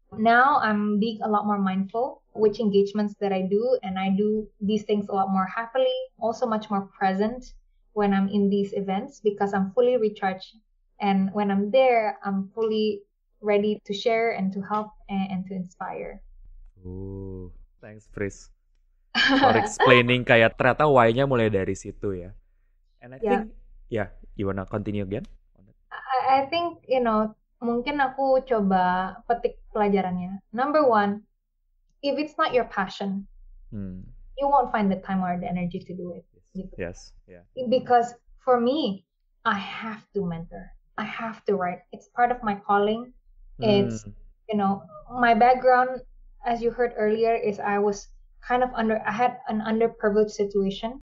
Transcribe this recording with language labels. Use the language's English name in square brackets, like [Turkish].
[English] Now I'm being a lot more mindful which engagements that I do, and I do these things a lot more happily, also much more present when I'm in these events because I'm fully recharged, and when I'm there, I'm fully ready to share and to help and to inspire. Ooh, thanks Pris for explaining [Indonesian] kayak ternyata [English] why-nya [Indonesian] mulai dari situ ya. [English] And I think, yeah, you wanna continue again? I think, you know, [Indonesian] mungkin aku coba petik pelajarannya. [English] Number one, if it's not your passion, you won't find the time or the energy to do it. [Indonesian] Gitu. [English] Yes. Yeah. Because for me, I have to mentor. I have to write. It's part of my calling. It's, you know, my background, as you heard earlier, is I was kind of under, I had an underprivileged situation.